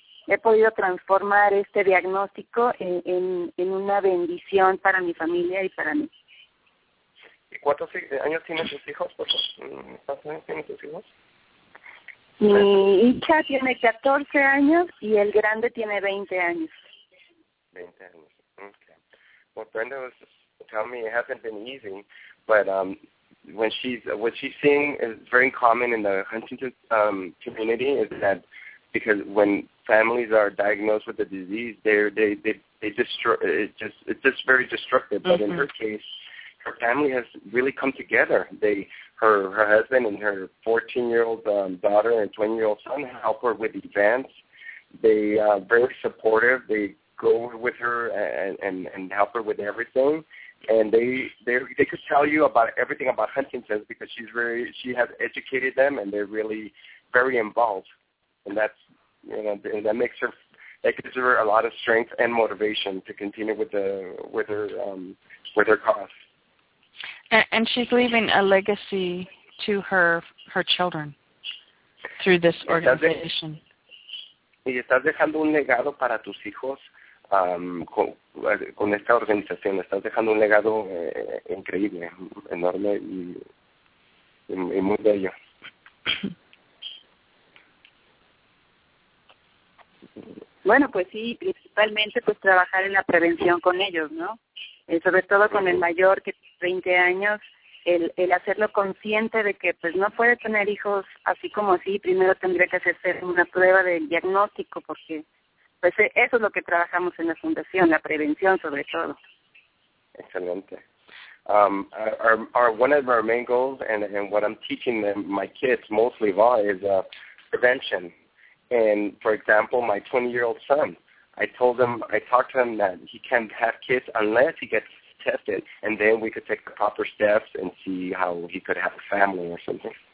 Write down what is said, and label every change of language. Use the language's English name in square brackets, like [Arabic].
[Spanish] He podido transformar este diagnóstico en una bendición para mi familia y para mí. ¿Y cuántos años tienen sus hijos? ¿Cuántos años tienen sus hijos? Mi hija tiene 14 años y el grande tiene 20 años. 20 años, okay. [English] Well, Brenda was telling me it hasn't been easy, but what she's seeing is very common in the Huntington's community is that because when families are diagnosed with the disease, they destroy. It's just very destructive. Mm-hmm. But in her case, her family has really come together. Her husband and her 14-year-old daughter and 20-year-old son help her with events. They are very supportive. They go with her and help her with everything. And they could tell you about everything about Huntington's because she has educated them and they're really very involved. And that's, you know, that gives her a lot of strength and motivation to continue with her cause. And she's leaving a legacy to her children through this organization. [Spanish] Y estás dejando un legado para tus hijos con esta organización. Estás dejando un legado increíble, enorme y muy bello. Bueno, pues sí, principalmente pues trabajar en la prevención con ellos, ¿no? Sobre todo con el mayor que 20 años, el hacerlo consciente de que pues no puede tener hijos así como así, primero tendría que hacerse una prueba del diagnóstico, porque pues eso es lo que trabajamos en la fundación, la prevención sobre todo. Excelente. [English] One of our main goals and what I'm teaching them, my kids mostly va is prevention. And for example, my 20-year-old son, I talked to him that he can't have kids unless he gets tested, and then we could take the proper steps and see how he could have a family or something.